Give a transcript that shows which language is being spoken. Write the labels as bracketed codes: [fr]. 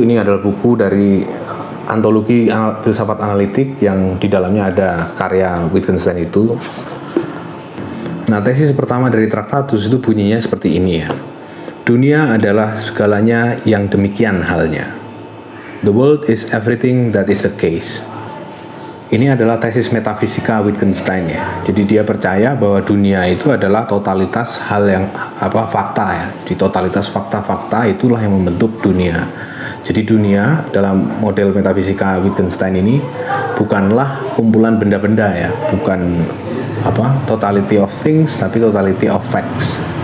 [id] Ini adalah buku dari antologi filsafat analitik yang di dalamnya ada karya Wittgenstein itu. Nah, tesis pertama dari Tractatus itu bunyinya seperti ini ya. Dunia adalah segalanya yang demikian halnya. [en] The world is everything that is the case. [id] Ini adalah tesis metafisika Wittgenstein ya. Jadi dia percaya bahwa dunia itu adalah totalitas hal yang fakta ya. Di totalitas fakta-fakta itulah yang membentuk dunia. Jadi dunia dalam model metafisika Wittgenstein ini bukanlah kumpulan benda-benda ya, bukan [en] totality of things [id] tapi [en] totality of facts.